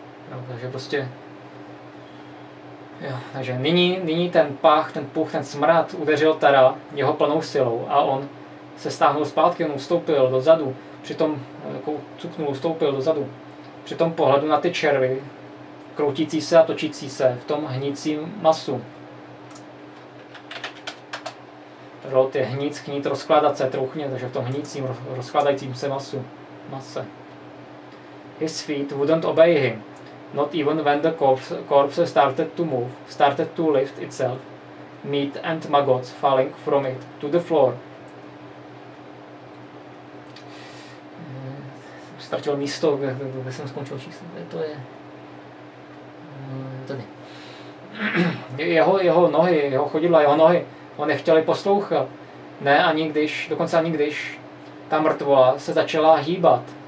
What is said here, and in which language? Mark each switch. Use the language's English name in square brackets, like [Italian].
[Czech] No, takže prostě... Jo, takže nyní ten pach, ten puch, ten smrad udeřil teda jeho plnou silou a on se stáhnul zpátky, on ustoupil dozadu, přitom cuknul, ustoupil dozadu. Při tom pohledu na ty červy, kroutící se a točící se v tom hnícím masu. Rod je hnic, knít, rozkládat se, trouchně, takže v tom hnícím, rozkládajícím se masu. Mase. [English] His feet wouldn't obey him, not even when the corpse started to lift itself, meat and maggots falling from it to the floor. [Czech] Ztratil místo, kde jsem skončil číslo, kde to je? Tady. Jeho nohy, jeho chodidla, jeho nohy, on nechtěli poslouchat. Ne, ani když, dokonce ani když ta mrtvola se začala hýbat.